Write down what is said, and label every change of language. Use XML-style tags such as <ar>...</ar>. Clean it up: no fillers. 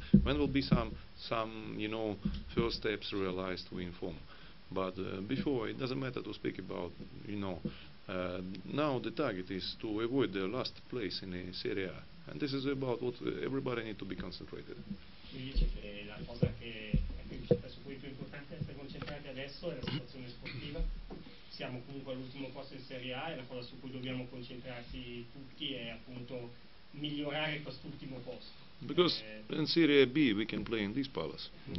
<en>When will be some you know first steps realized? We inform. But before, it doesn't matter to speak about, you know. Now the target is to avoid the last place in the Serie A, and this is about what everybody needs to be concentrated.</en> <it>Mi dice che la cosa che è più importante è concentrarsi adesso è la situazione sportiva. Si siamo comunque all'ultimo posto in Serie A e la cosa su cui dobbiamo concentrarsi tutti è appunto migliorare quest'ultimo posto.</it> <en>Because in Serie B we can play in this palace.</en>